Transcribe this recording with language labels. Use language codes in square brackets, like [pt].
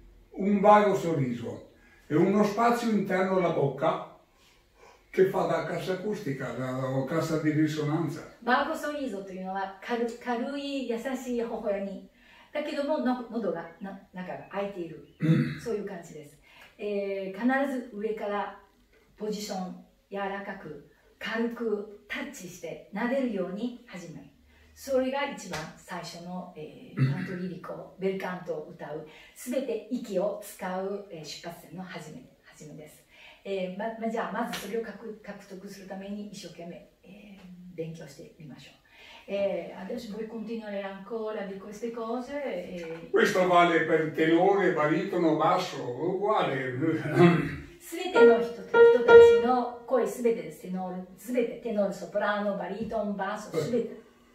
[it] Un vago sorriso e uno spazio interno alla bocca che fa da cassa acustica, da cassa di risonanza. Vago sorriso [ja] というのは軽い優しい微笑み。だけども喉が中が開いている。そういう感じです。必ず上からポジション柔らかく軽くタッチして撫でるように始める。それが一番最初の、カントリリコ、ベルカントを歌う、すべて息を使う、出発点の始めです。じゃあ、まずそれを獲得するために一生懸命、勉強してみましょう。 [it] Adesso voi continuare ancora di queste cose. Questo vale per tenore, baritono, basso, uguale. [ja] すべての人たちの声、すべてです。テノール、ソプラノ、バリトン、バスすべて。